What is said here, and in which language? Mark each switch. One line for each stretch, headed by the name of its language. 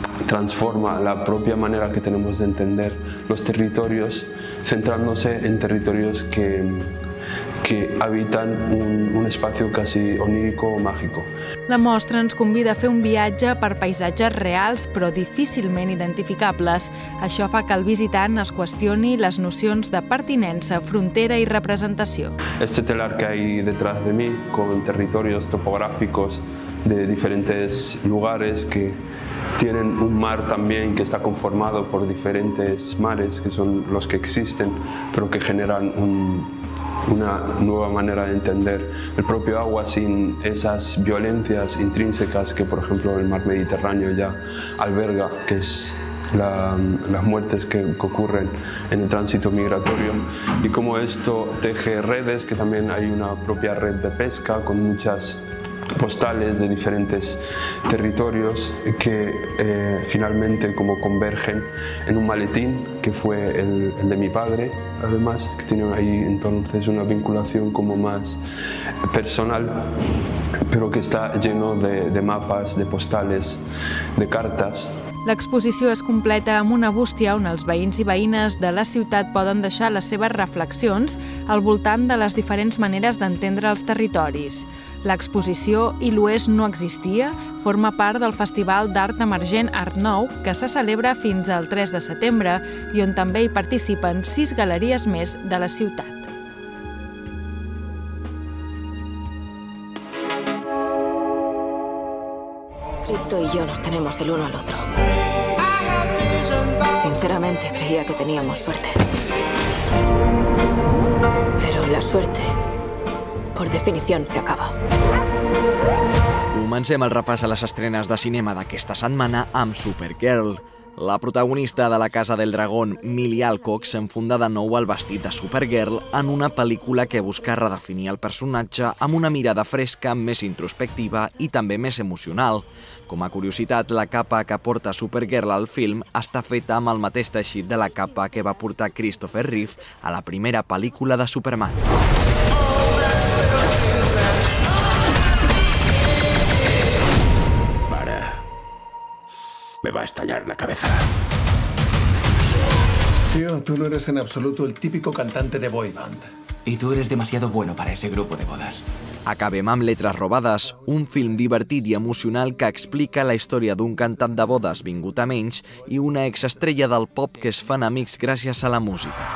Catalan: Transforma la pròpia manera que tenem d'entendre els territoris, centrant-se en territoris que habiten un espai quasi oníric o màgic. La mostra ens convida a fer un viatge per paisatges reals però difícilment identificables. Això fa que el visitant es qüestioni les nocions de pertinença, frontera i representació.
Spanish: Este telar que hay detrás de mí con territorios topográficos de diferentes lugares que tienen un mar también que está conformado por diferentes mares que son los que existen pero que generan una nueva manera de entender el propio agua sin esas violencias intrínsecas que, por ejemplo, el mar Mediterráneo ya alberga, que es las muertes que ocurren en el tránsito migratorio, y cómo esto teje redes, que también hay una propia red de pesca con muchas postales de diferentes territorios que finalmente como convergen en un maletín que fue el de mi padre, además que tiene ahí entonces una vinculación como más personal, pero que está lleno de mapas, de postales, de cartas.
Catalan: L'exposició es completa amb una bústia on els veïns i veïnes de la ciutat poden deixar les seves reflexions al voltant de les diferents maneres d'entendre els territoris. L'exposició I l'Oest no existia forma part del Festival d'Art Emergent Art Nou que se celebra fins al 3 de setembre i on també hi participen 6 galeries més de la ciutat.
Spanish: Tú y yo nos tenemos el uno al otro. Sinceramente creía que teníamos suerte. Pero la suerte, por definición, se acaba.
Catalan: Comencem el repàs a les estrenes de cinema d'aquesta setmana amb Supergirl. La protagonista de La Casa del Dragón, Millie Alcock, s'enfunda de nou al vestit de Supergirl en una pel·lícula que busca redefinir el personatge amb una mirada fresca, més introspectiva i també més emocional. Com a curiositat, la capa que porta Supergirl al film està feta amb el mateix teixit de la capa que va portar Christopher Reeve a la primera pel·lícula de Superman.
Spanish: Me va a estallar la cabeza. Tío, tú no eres en absoluto el típico cantante de boy band. Y tú eres demasiado bueno para ese grupo de bodas.
Catalan: Acabem amb Letras robadas, un film divertit i emocional que explica la història d'un cantant de bodas vingut a menys i una exestrella del pop que es fan amics gràcies a la música.